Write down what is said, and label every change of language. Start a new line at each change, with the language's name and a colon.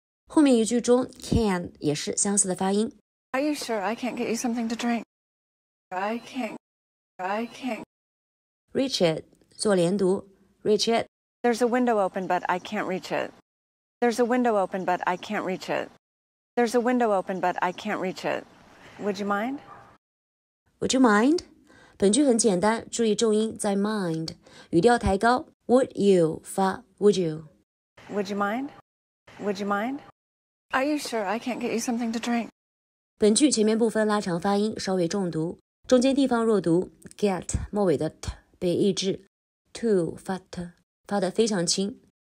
Chinese: 后面一句中 can 也是相似的发音。
English: Are you sure I can't get you something to drink? I can't. Reach it,
Chinese: 做连读
English: Reach it. There's a window open, but I can't reach it. There's a window open, but I can't reach it. There's a window open, but I can't reach it. Would you mind? Would you mind?
Chinese: 本句很简单，注意重音在 mind， 语调抬高。
English: Would you 发 would you? Would you mind? Would you mind? Are you sure I can't get you something to drink?
Chinese: 本句前面部分拉长发音，稍微重读，中间地方弱读 get 末尾的 t 被抑制 ，to 发 t 发得非常轻。